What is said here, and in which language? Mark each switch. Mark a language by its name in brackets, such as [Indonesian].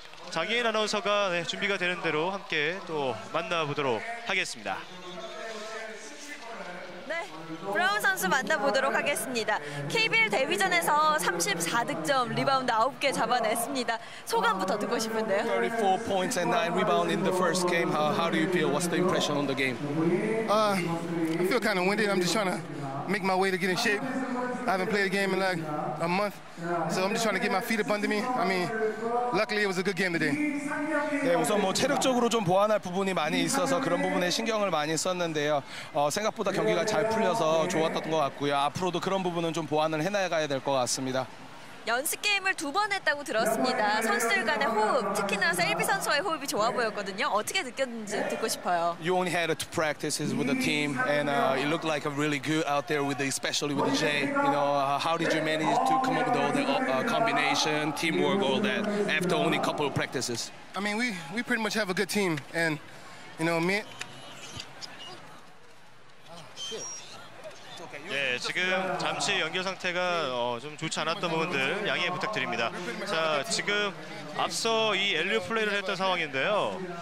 [Korean] 장애인 아나운서가 네, 준비가 되는 대로 함께 또 만나보도록 하겠습니다. 네, 브라운 선수 만나보도록 하겠습니다. KBL 데뷔전에서 34득점 리바운드 9개 잡아냈습니다. 소감부터 듣고 싶은데요. [English] 34 points and 9 rebounds in the first game. How do you feel? What's the impression on the game? I feel kind of winded. I'm just trying to make my way to get in shape. I haven't played a game in like a month, so I'm just trying to get my feet up under me. I mean, luckily it was a good game today. [Korean] 네, 우선 뭐 체력적으로 좀 보완할 부분이 많이 있어서 그런 부분에 신경을 많이 썼는데요. 생각보다 경기가 잘 풀려서 좋았던 것 같고요. 앞으로도 그런 부분은 좀 보완을 해나가야 될 것 같습니다. 연습 게임을 두 번 했다고 들었습니다. 선수들 간의 호흡, 특히나 셀비 선수와의 호흡이 좋아 보였거든요. 어떻게 느꼈는지 듣고 싶어요. [English] You only had two practices with the team, and it looked like a really good out there with the, especially with the Jay. You know, how did you manage to come up with all the combination, teamwork, all that after only a couple of practices? I mean, we pretty much have a good team, and you know me. [Korean] 네, 지금 잠시 연결 상태가 좀 좋지 않았던 부분들 양해 부탁드립니다. 자, 지금 앞서 이 엘리오 플레이를 했던 상황인데요.